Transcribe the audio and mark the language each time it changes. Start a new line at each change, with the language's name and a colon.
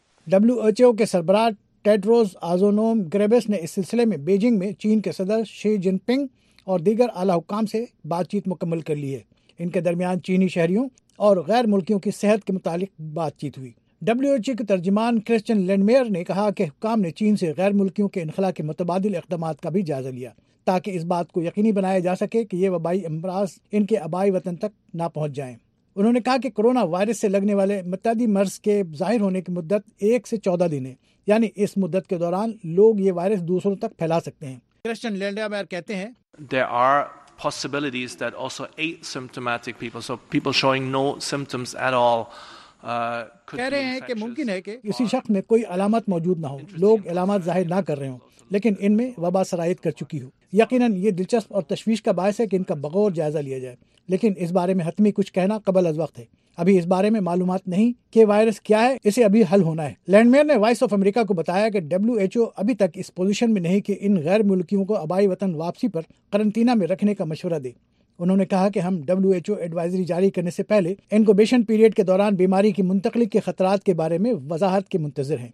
Urdu: W H O کے سربراہ Tedros اڈھانوم گھیبریسس نے اس سلسلے میں بیجنگ میں چین کے صدر شی جن پنگ اور دیگر اعلی حکام سے بات چیت مکمل کر لی ہے۔ ان کے درمیان چینی شہریوں اور غیر ملکیوں کی صحت کے متعلق بات چیت ہوئی۔ ڈبلیو ایچ او کے ترجمان کرسچن لینڈمیئر نے کہا کہ حکام نے چین سے غیر ملکیوں کے انخلا کے متبادل اقدامات کا بھی جائزہ لیا تاکہ اس بات کو یقینی بنایا جا سکے کہ یہ وبائی امراض ان کے آبائی وطن تک نہ پہنچ جائیں۔ انہوں نے کہا کہ کرونا وائرس سے لگنے والے متعدی مرض کے ظاہر ہونے کی مدت 1 سے 14 دن ہے، یعنی اس مدت کے دوران لوگ یہ وائرس دوسروں تک پھیلا سکتے ہیں۔ کرسچن لینڈمیئر کہتے ہیں،
English: possibilities that also 8 symptomatic people, so people showing no symptoms at all, could
Urdu: کہہ رہے ہیں کہ ممکن ہے کہ کسی شخص میں کوئی علامت موجود نہ ہو، لوگ علامات ظاہر نہ کر رہے ہوں لیکن ان میں وبا سرایت کر چکی ہو۔ یقیناً یہ دلچسپ اور تشویش کا باعث ہے کہ ان کا بغور جائزہ لیا جائے، لیکن اس بارے میں حتمی کچھ کہنا قبل از وقت ہے۔ ابھی اس بارے میں معلومات نہیں کہ وائرس کیا ہے، اسے ابھی حل ہونا ہے۔ لینڈمیئر نے وائس آف امریکہ کو بتایا کہ ڈبلیو ایچ او ابھی تک اس پوزیشن میں نہیں کہ ان غیر ملکیوں کو آبائی وطن واپسی پر قرنطینہ میں رکھنے کا مشورہ دے۔ انہوں نے کہا کہ ہم ڈبلیو ایچ او ایڈوائزری جاری کرنے سے پہلے انکوبیشن پیریڈ کے دوران بیماری کی منتقلی کے خطرات کے بارے میں وضاحت کے منتظر ہیں۔